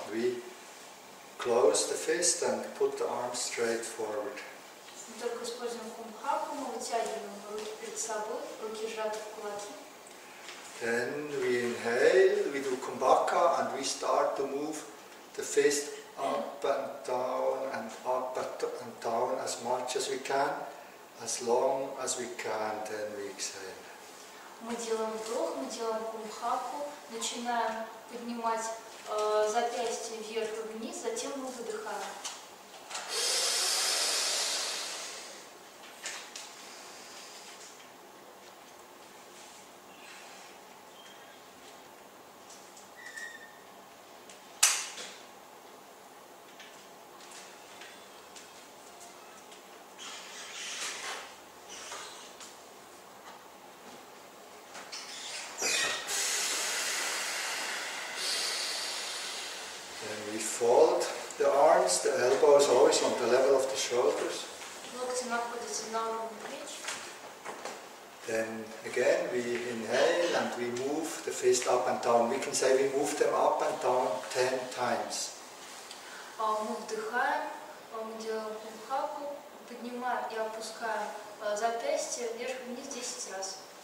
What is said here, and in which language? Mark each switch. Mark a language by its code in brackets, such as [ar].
[en] We close the fist and put the arms straight forward. [ru] Мы только используем кумбхаку, мы вытягиваем руки перед собой, руки сжаты в кулаки. [en] Then we inhale, we do kumbhaka and we start to move the fist up and down and up and down as much as we can, as long as we can, then we exhale. [ru] Мы делаем вдох, мы делаем кумбхаку, начинаем поднимать запястье вверх и вниз, затем мы выдыхаем. [en] Fold the arms, the elbows always on the level of the shoulders. [ru] Локти находятся на уровне плеч. [en] Then again we inhale and we move the fist up and down. We can say we move them up and down 10 times. [ru] Мы вдыхаем, мы делаем кумбхаку, поднимаем и опускаем запястья вверх и вниз 10 раз.